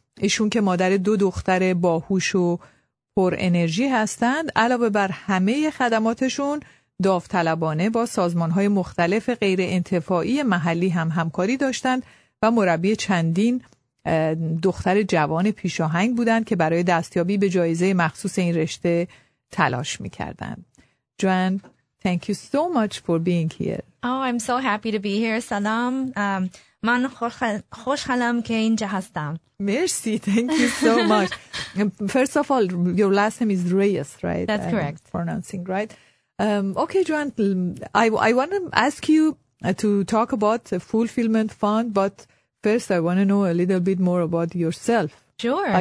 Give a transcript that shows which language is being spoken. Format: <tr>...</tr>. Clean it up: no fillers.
<fa>ایشون که مادر دو دختر باهوش و پر انرژی هستند، علاوه بر همه خدماتشون داوطلبانه با سازمان‌های مختلف غیر انتفاعی محلی هم همکاری داشتند و مربی چندین دختر جوان پیشاهنگ بودند که برای دستیابی به جایزه مخصوص این رشته تلاش میکردن.</fa> <en>Joan, thank you so much for being here. Oh, I'm so happy to be here. سلام.</en> <fa>من خوشحالم که اینجا هستم.</fa> <en>مرسی. Thank you so much. First of all, your last name is Reyes, right? That's correct. Pronouncing right. Okay, Joan. I want to ask you to talk about the fulfillment fund, but first I want to know a little bit more about yourself. Sure.</en>